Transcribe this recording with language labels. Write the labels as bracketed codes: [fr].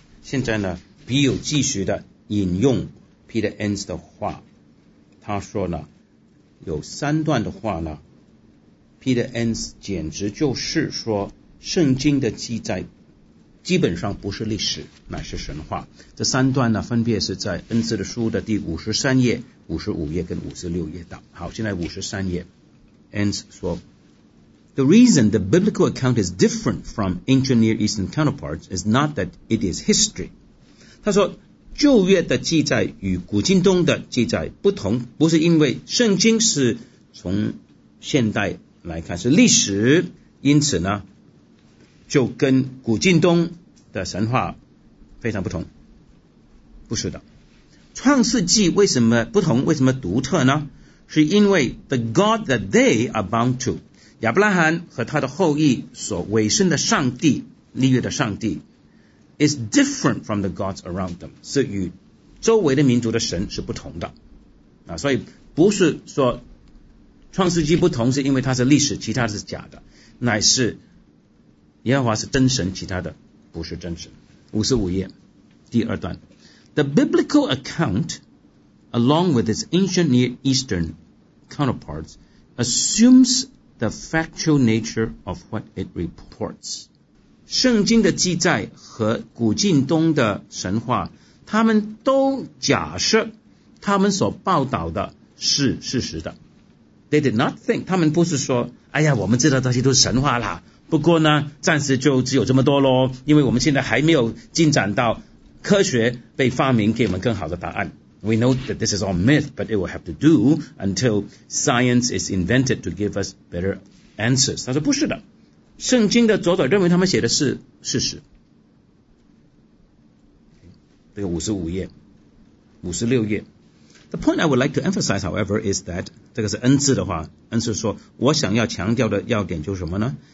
[zh] 现在呢，比友继续的引用 Peter Enns 的话，他说呢，有三段的话呢， Peter Enns 简直就是说，圣经的记载基本上不是历史，乃是神话。这三段呢，分别是在恩赐的书的第53页、55页跟56页的。 [en] 好， [zh] 现在53页， [en] Enns 说，The reason the biblical account is different from ancient Near Eastern counterparts is not that it is history. [zh] 他说，旧约的记载与古今东的记载不同，不是因为圣经是从现代来看是历史，因此呢，就跟古今东的神话非常不同。不是的，创世纪为什么不同，为什么独特呢？是因为 [en] the God that they are bound to. [zh] 亚伯拉罕和他的后裔所委身的上帝，立约的上帝 [en] is different from the gods around them， [zh] 是与周围的民族的神是不同的啊。所以不是说创世纪不同是因为它是历史，其他的是假的，乃是耶和华是真神，其他的不是真神。 [en] 55页第二段， The biblical account along with its ancient Near Eastern counterparts assumesThe factual nature of what it reports. [zh] 圣经的记载和古近东的神话，他们都假设他们所报道的是事实的。 [en] They did not think. [zh] 他们不是说，哎呀，我们知道这些都是神话啦，不过呢，暂时就只有这么多咯，因为我们现在还没有进展到科学被发明给我们更好的答案。 [en] We know that this is all myth, but it will have to do until science is invented to give us better answers. [zh] 他说不是的，圣经的作者认为他们写的是事实。这个55页、56页。 [en] The point I would like to emphasize, however, is that, [zh] 这个是恩赐的话，恩赐说，我想要强调的要点就是什么呢？